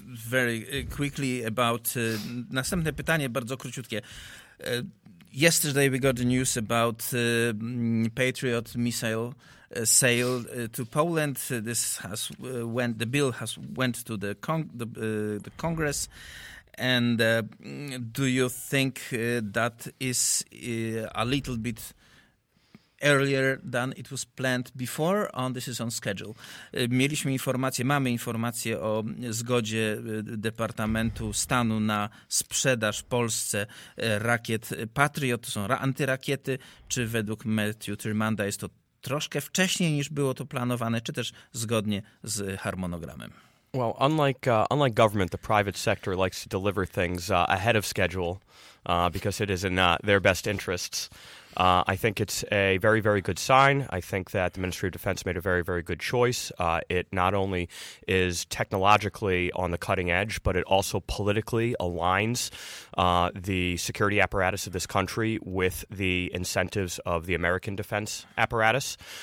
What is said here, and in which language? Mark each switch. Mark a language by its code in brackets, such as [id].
[en] Very quickly about [pl] następne pytanie, bardzo króciutkie. [en] Yesterday we got the news about Patriot missile sale to Poland. This has went, the bill has went to the Congress. And do you think that is a little bit earlier than it was planned before, on this is on schedule. [pl] Mieliśmy informację, mamy informację o zgodzie Departamentu Stanu na sprzedaż Polsce rakiet Patriot, to są antyrakiety. Czy według Matthew Tyrmanda jest to troszkę wcześniej niż było to planowane, czy też zgodnie z harmonogramem? [en] Well, unlike government, the private sector likes to deliver things ahead of schedule because it is in their best interests. I think it's a very, very good sign. I think that the Ministry of Defense made a very, very good choice. It not only is technologically on the cutting edge, but it also politically aligns the security apparatus of this country with the incentives of the American defense apparatus.